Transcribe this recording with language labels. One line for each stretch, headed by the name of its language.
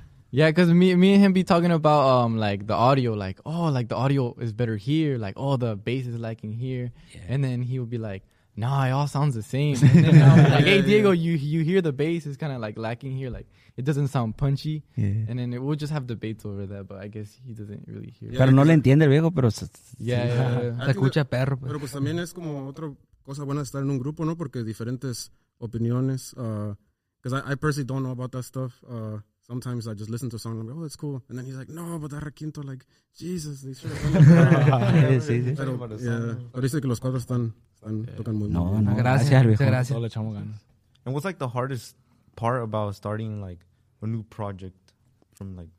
English: Yeah, because me and him be talking about like the audio, like oh, like the audio is better here, like oh, the bass is lacking here, and then he would be like, nah, it all sounds the same. And then like, hey Diego, you hear the bass is kind of like lacking here, like. It doesn't sound punchy. Yeah. And then we'll just have debates over that, but I guess he doesn't really hear.
Spanish: Pero no le entiende el viejo, pero se escucha perro. Pero pues también es como otra cosa buena estar en un grupo, ¿no? Porque diferentes opiniones.
English: Because I personally don't know about that stuff. Sometimes I just listen to a song and I'm like, oh, that's cool. And then he's like, no, but that requinto, like, Jesus.
Spanish: Sí, sí. Pero dice que los cuatro están tocando muy bien. No, gracias, viejo. Gracias. Todo le echamos ganas.
English: And what's like the hardest part about starting like a new project from like